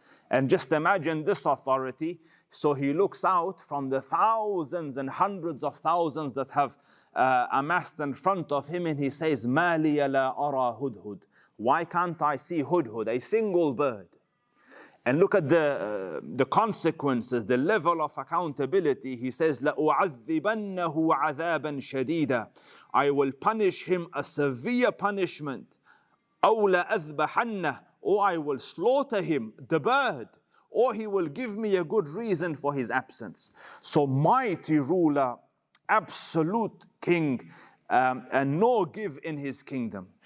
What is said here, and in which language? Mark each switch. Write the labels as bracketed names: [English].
[English] And just imagine this authority. So he looks out from the thousands and hundreds of thousands that have amassed in front of him, and he says, [Arabic] مَا لِيَ لَا أَرَى هُدْهُدْ. [English] Why can't I see Hudhud, a single bird? And look at the consequences, the level of accountability. He says, [Arabic] لَأُعَذِّبَنَّهُ عَذَابًا شَدِيدًا. [English] I will punish him a severe punishment. [Arabic] أَوْ لَأَذْبَحَنَّهُ. [English] Or I will slaughter him, the bird. Or he will give me a good reason for his absence. So mighty ruler, absolute king, and no give in his kingdom.